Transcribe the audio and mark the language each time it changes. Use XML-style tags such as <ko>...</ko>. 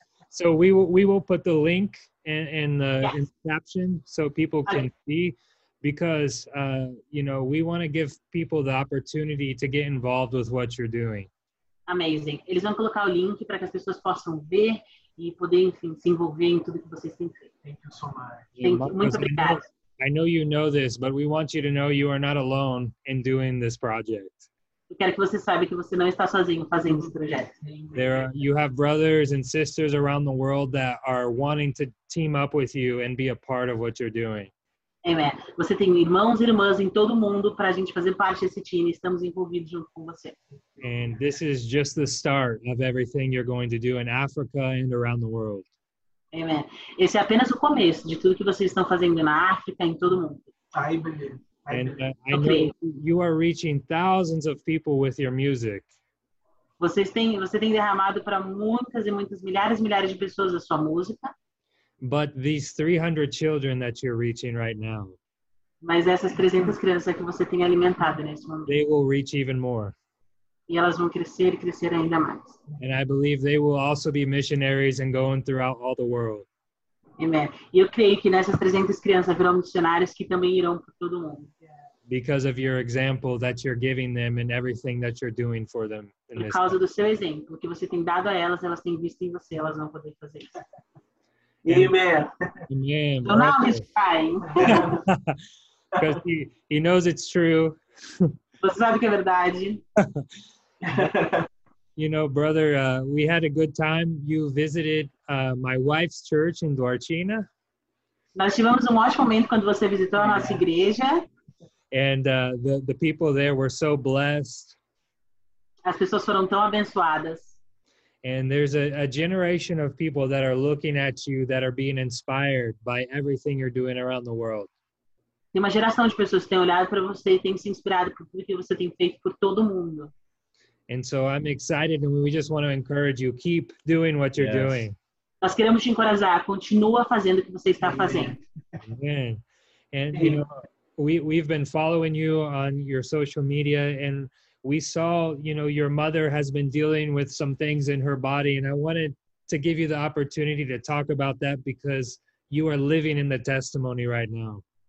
<en>So we will put the link in the caption so people can see, because we want to give people the opportunity to get involved with what you're doing. Amazing.</en> <pt>Eles vão colocar o link para que as pessoas possam ver e poder, enfim, se envolver em tudo que vocês têm feito.</pt> <en>Thank you so much.</en> <pt>Muito obrigado.</pt> <en>I know you know this, but we want you to know you are not alone in doing this project.</en> <pt>Eu quero que você saiba que você não está sozinho fazendo esse projeto.</pt> <en>There are, you have brothers and sisters around the world that are wanting to team up with you and be a part of what you're doing.</en> <pt>Amém. Você tem irmãos e irmãs em todo o mundo para a gente fazer parte desse time. Estamos envolvidos junto com você.</pt> <en>And this is just the start of everything you're going to do in Africa and around the world.</en> <pt>Amém. Esse é apenas o começo de tudo que vocês estão fazendo na África e em todo o mundo.</pt> <en>I believe. And I know you are reaching thousands of people with your music.</en> <pt>Você tem derramado para muitas e muitas milhares e milhares de pessoas a sua música.</pt> <en>But these 300 children that you're reaching right now.</en> <pt>Mas essas 300 crianças que você tem alimentado nesse momento.</pt> <en>They will reach even more.</en> <pt>E elas vão crescer e crescer ainda mais.</pt> <en>And I believe they will also be missionaries and going throughout all the world. Amen.</en> <pt>E eu creio que nessas 300 crianças virão missionários que também irão para todo mundo.</pt> <en>Because of your example that you're giving them and everything that you're doing for them.</en> <pt>Por causa do seu exemplo, que você tem dado a elas têm visto em você, elas vão poder fazer isso.</pt> <en>Amen. Amen. So now he's crying. Because he knows it's true.</en> <pt>Você sabe que é verdade.</pt> <en>You know, brother, we had a good time. You visited my wife's church in Duarchina.</en> <pt>Nós tivemos um ótimo momento quando você visitou a nossa igreja.</pt> <en>And the people there were so blessed.</en> <pt>As pessoas foram tão abençoadas.</pt> <en>And there's a generation of people that are looking at you that are being inspired by everything you're doing around the world.</en> <pt>Tem uma geração de pessoas que têm olhado para você e têm se inspirado por tudo que você tem feito por todo mundo.</pt> <en>And so I'm excited and we just want to encourage you, keep doing what you're doing.</en> <pt>Nós queremos te encorajar, continua fazendo o que você está fazendo.</pt> <en>Amen. And you know, we've been following you on your social media and we saw, you know, your mother has been dealing with some things in her body, and I wanted to give you the opportunity to talk about that because you are living in the testimony right now.</en>